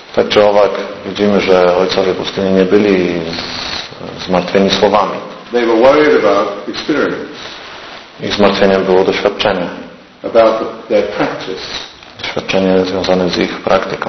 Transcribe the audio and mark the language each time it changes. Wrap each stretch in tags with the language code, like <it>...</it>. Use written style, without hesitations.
<pl>Tak czy owak widzimy, że ojcowie pustyni nie byli zmartwieni słowami.</pl> <en>They were worried about experience.</en> <pl>Ich zmartwieniem było doświadczenie.</pl> <en>About their practice.</en> <pl>Doświadczenie związane z ich praktyką.</pl>